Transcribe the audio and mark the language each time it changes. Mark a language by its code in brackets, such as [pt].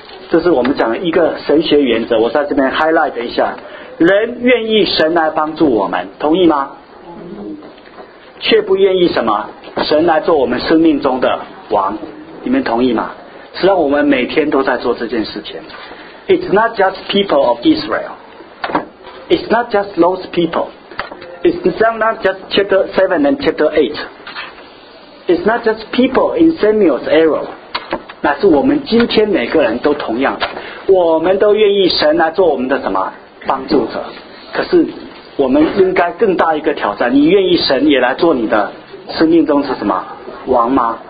[zh] 这是我们讲的一个神学原则，我在这边 highlight 一下。人愿意神来帮助我们，同意吗？却不愿意什么神来做我们生命中的王，你们同意吗？实际上我们每天都在做这件事情。 [en] It's not just people of Israel, It's not just those peopleIt's not just chapter 7 and chapter 8. It's not just people in Samuel's era. [zh] 那是我们今天每个人都同样的，我们都愿意神来做我们的什么帮助者。可是我们应该更大一个挑战，你愿意神也来做你的生命中是什么王吗？